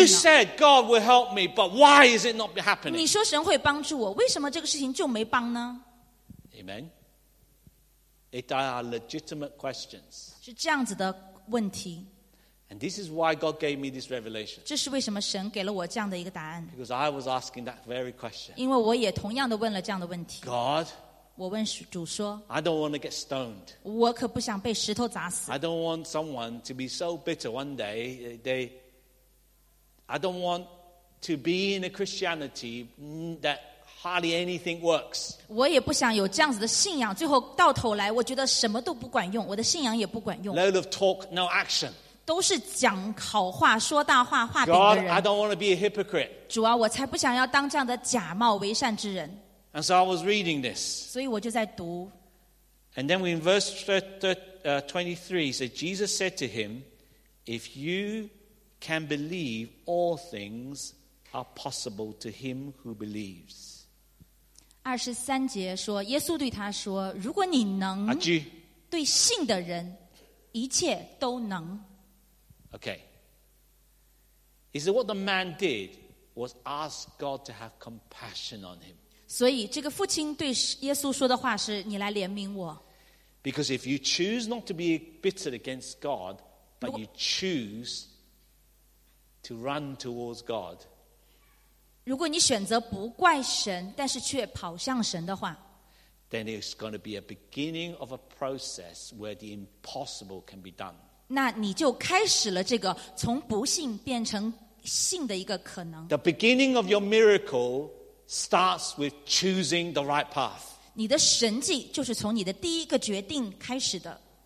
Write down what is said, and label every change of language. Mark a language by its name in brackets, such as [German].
[English] You said God will help me, but why is it not happening? [Chinese] 你说神会帮助我为什么这个事情就没帮呢? [English] Amen. They are legitimate questions. [Chinese] 是这样子的问题 [English] And this is why God gave me this revelation. [Chinese] 这是为什么神给了我这样的一个答案 [English] Because I was asking that very question. [Chinese] 因为我也同样的问了这样的问题 [English] God, [Chinese] 我问主说 [English] I don't want to get stoned. [Chinese] 我可不想被石头砸死 [English] I don't want someone to be so bitter one day. I don't want to be in a Christianity that hardly anything works. [Chinese] 我也不想有这样子的信仰最后到头来我觉得什么都不管用我的信仰也不管用 [English] Load of talk, no action. [Chinese] 都是讲好话说大话话饼的人。 [English] God, I don't want to be a hypocrite. [Chinese] 主啊，我才不想要当这样的假冒为善之人。 [English] And so I was reading this. [Chinese] 所以我就在读。 [English] And then in verse 23, said, Jesus said to him, If you can believe, all things are possible to him who believes. [Chinese] 二十三节说，耶稣对他说：“如果你能对信的人，一切都能。” [English] Okay. Is that what the man did was ask God to have compassion on him? [Chinese] 所以这个父亲对耶稣说的话是：“你来怜悯我。” [English] Because if you choose not to be bitter against God, but you choose to run towards God. [Chinese] 如果你选择不怪神，但是却跑向神的话， [English] then it's going to be a beginning of a process where the impossible can be done. [Chinese] 那你就开始了这个从不信变成信的一个可能。 [English] The beginning of your miracle starts with choosing the right path. [Chinese] 你的神迹就是从你的第一个决定开始的。